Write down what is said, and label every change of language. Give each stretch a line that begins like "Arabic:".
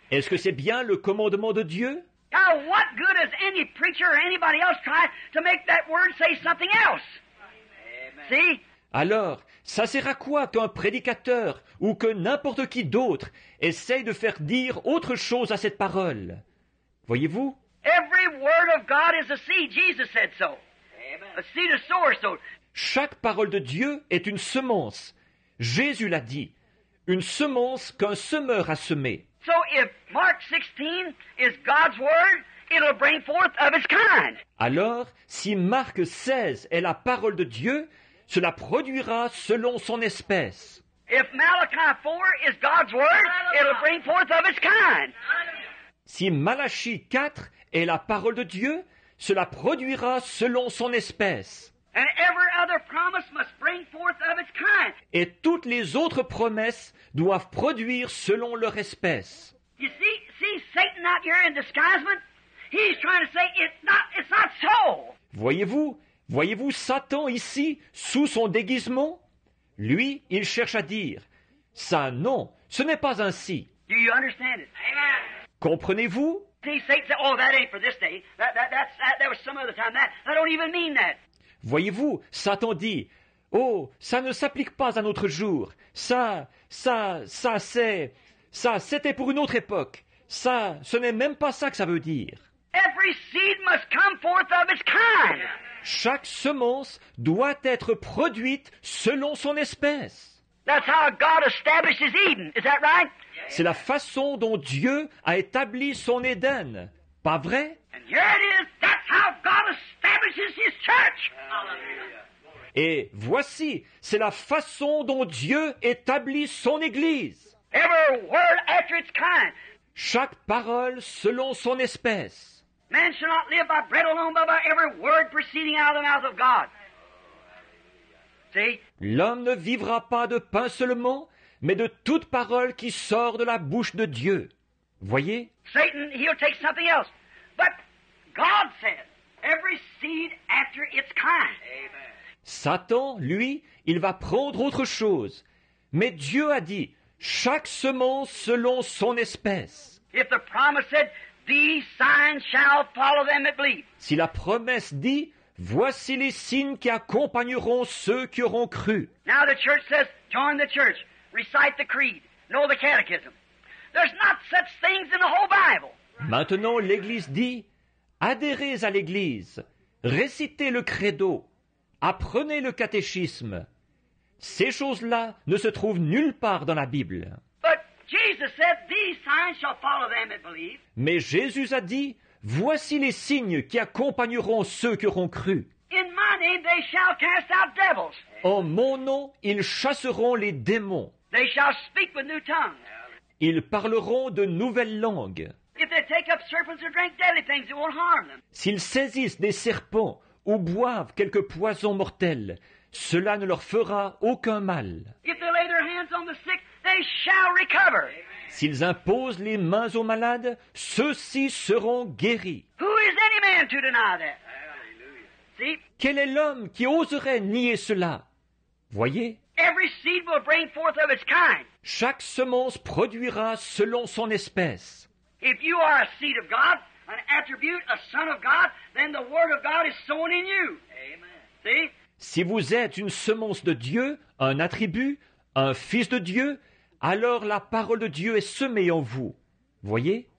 French: Est-ce que c'est bien le commandement de Dieu?
English: Now, what good does any preacher or anybody else try to make that word say something else? Amen. See?
French: Alors, ça sert à quoi qu'un prédicateur ou que n'importe qui d'autre essaye de faire dire autre chose à cette parole? Voyez-vous?
English: Every word of God is a seed. Jesus said so. Amen. A seed of sower. So.
French: Chaque parole de Dieu est une semence. Jésus l'a dit. Une semence qu'un semeur a semée.
English: So if Mark 16 is God's word, it'll bring forth of its kind.
French: Alors, si Marc 16 est la parole de Dieu, cela produira selon son espèce.
English: If Malachi 4 is God's word, it'll bring forth of its kind.
French: Si Malachi 4 est la parole de Dieu, cela produira selon son espèce.
English: And every other promise must bring forth of its kind.
French: Et toutes les autres promesses doivent produire selon leur espèce.
English: You see Satan out here in disguisement? He's trying to say it's not so.
French: Voyez-vous Satan ici sous son déguisement? Lui, il cherche à dire ça non, ce n'est pas ainsi.
English: Do you understand it? Amen.
French: Comprenez-vous?
English: See, Satan said, oh, that ain't for this day. That was some other time. That I don't even mean that.
French: Voyez-vous, Satan dit, « Oh, ça ne s'applique pas à notre jour. Ça, c'était pour une autre époque. Ça, ce n'est même pas ça que ça veut dire. »
English: Every seed must come forth of its kind.
French: Chaque semence doit être produite selon son espèce.
English: That's how God establishes Eden. Is that right?
French: C'est la façon dont Dieu a établi son Éden. Pas vrai?
English: And here it is. That's how God establishes His church.
French: Et voici, c'est la façon dont Dieu établit son Église.
English: Every word after its kind.
French: Chaque parole selon son espèce.
English: Man shall not live by bread alone, but by every word proceeding out of the mouth of God. See?
French: L'homme ne vivra pas de pain seulement, mais de toute parole qui sort de la bouche de Dieu. Voyez?
English: Satan, he'll take something else. But God said, every seed after its kind. Amen.
French: Satan, lui, il va prendre autre chose. Mais Dieu a dit, chaque semence selon son espèce.
English: If the promise said, these signs shall follow them that believe.
French: Si la promesse dit, voici les signes qui accompagneront ceux qui auront cru.
English: Now the church says, join the church, recite the creed, know the catechism. There's not such things in the whole Bible.
French: Maintenant, l'Église dit, adhérez à l'Église, récitez le credo, apprenez le catéchisme. Ces choses-là ne se trouvent nulle part dans la Bible.
English: But Jesus said, these signs shall follow them that believe.
French: Mais Jésus a dit, voici les signes qui accompagneront ceux qui auront cru.
English: In my name they shall cast out devils.
French: En mon nom, ils chasseront les démons.
English: They shall speak with new tongues.
French: Ils parleront de nouvelles langues.
English: If they take up serpents or drink deadly things, it won't harm them.
French: S'ils saisissent des serpents ou boivent quelque poison mortel, cela ne leur fera aucun mal.
English: If they lay their hands on the sick, they shall recover. Amen.
French: S'ils imposent les mains aux malades, ceux-ci seront guéris.
English: Who is any man to deny that? Hallelujah. See?
French: Quel est l'homme qui oserait nier cela? Voyez?
English: Every seed will bring forth of its kind.
French: Chaque semence produira selon son espèce.
English: If you are a seed of God, an attribute, a son of God, then the word of God is sown in you. Amen. See?
French: Si vous êtes une semence de Dieu, un attribut, un fils de Dieu, alors la parole de Dieu est semée en vous. Voyez?